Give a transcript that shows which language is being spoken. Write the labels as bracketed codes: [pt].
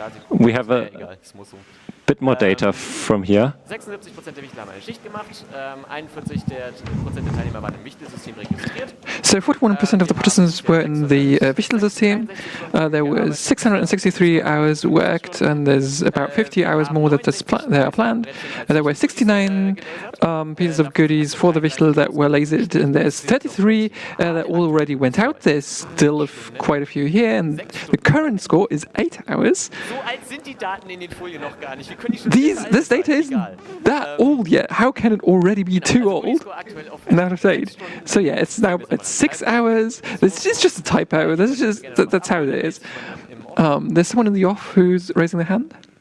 [en] We have a bit more data from here. [de] 76% der Mitglieder haben eine Schicht gemacht. 41% der Teilnehmer waren im Wichtelsystem registriert. [en] So 41% of the participants were in the Wichtelsystem. There were 663 hours worked, and there's about 50 hours more that they are planned. There were 69 pieces of goodies for the Wichtel that were lasered, and there's 33 that already went out. There's still quite a few here, and the current score is 8 hours. [de] So alt sind die Daten in den Folien noch gar nicht. [en] This data isn't that old yet. How can it already be too old and out of date? So yeah, it's now at 6 hours. It's just a typo. That's how it is. There's someone in the off who's raising their hand.